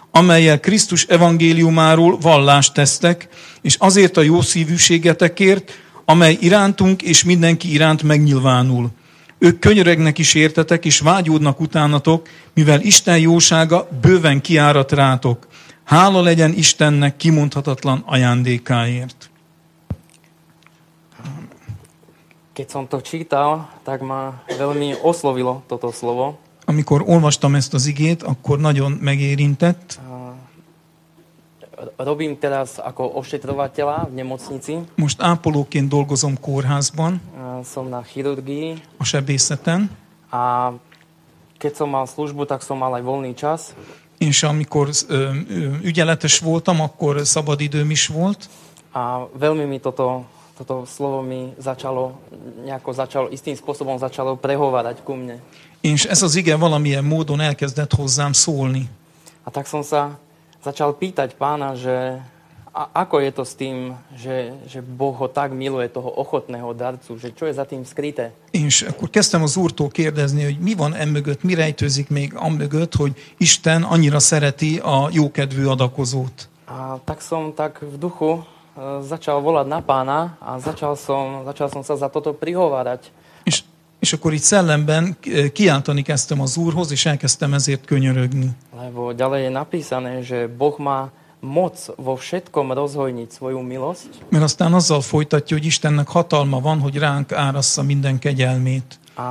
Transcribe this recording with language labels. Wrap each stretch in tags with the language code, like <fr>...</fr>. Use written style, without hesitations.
<hu>amellyel Krisztus evangéliumáról vallást tesztek, és azért a jó szívűségetekért, amely irántunk és mindenki iránt megnyilvánul. Ők könyörögnek is értetek, és vágyódnak utánatok, mivel Isten jósága bőven kiárat rátok. Hála legyen Istennek kimondhatatlan ajándékáért.</hu> <sk>Keď som to čítal, tak ma veľmi oslovilo toto slovo.</sk> <hu>Amikor olvastam ezt az igét, akkor nagyon megérintett.</hu> <sk>Robím teraz ako ošetrovateľa v nemocnici.</sk> <hu>Most ápolóként dolgozom kórházban.</hu> <sk>Som na chirurgii.</sk> <hu>A sebészeten.</hu> <sk>A keď som mal službu, tak som mal aj voľný čas.</sk> <hu>És amikor ügyeletes voltam, akkor szabadidőm is volt.</hu> <sk>A veľmi mi toto slovo mi začalo istým spôsobom začalo prehovárať ku mne.</sk> <hu>És ez az ige valamilyen módon elkezdett hozzám szólni.</hu> <sk>A tak som sa začal pýtať pána, že ako je to s tým, že Boh ho tak miluje, toho ochotného darcu, že čo je za tým skryté.</sk> <hu>És akkor kezdtem az úrtól kérdezni, hogy mi van emögött, mi rejtőzik még amögött, hogy Isten annyira szereti a jókedvű adakozót.</hu> <sk>A tak som tak v duchu začal volať na pána a začal som sa za toto prihovárať.</sk> <hu>És akkor itt szellemben kiáltani kezdtem az Úrhoz, és elkezdtem ezért könyörögni.</hu> <sk>Lebo ďalej je napísané, že Boh má moc vo všetkom rozhojniť svoju milosť.</sk> <hu>Mert aztán azzal folytatja, hogy Istennek hatalma van, hogy ránk árassza minden kegyelmét.</hu>